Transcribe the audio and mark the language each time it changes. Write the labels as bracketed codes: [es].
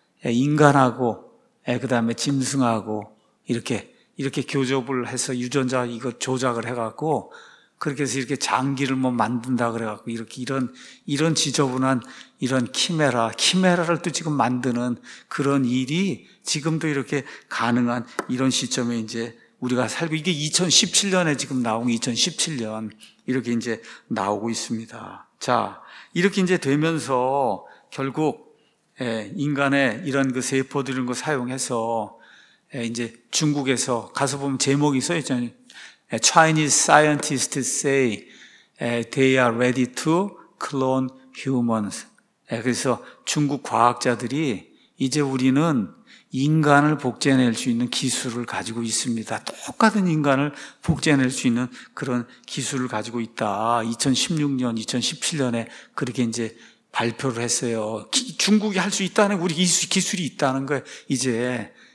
[ko] 인간하고 그다음에 짐승하고 이렇게 교접을 해서 유전자 이거 조작을 해갖고 그렇게 해서 이렇게 장기를 뭐 만든다 그래갖고 이렇게 이런 지저분한 이런 키메라를 또 지금 만드는 그런 일이 지금도 이렇게 가능한 이런 시점에 이제 우리가 살고 이게 2017년에 지금 나온 2017년 이렇게 이제 나오고 있습니다. 자 이렇게 이제 되면서 결국 인간의 이런 그 세포들 이런 거 사용해서 이제 중국에서 가서 보면 제목이 써 있잖아요. [en] Chinese scientists say they are ready to clone humans. [ko] 그래서 중국 과학자들이 이제 우리는 인간을 복제해낼 수 있는 기술을 가지고 있습니다. 똑같은 인간을 복제해낼 수 있는 그런 기술을 가지고 있다. 2016년, 2017년에 그렇게 이제 발표를 했어요. 중국이 할 수 있다는 우리 기술이 있다는 거예요. 이제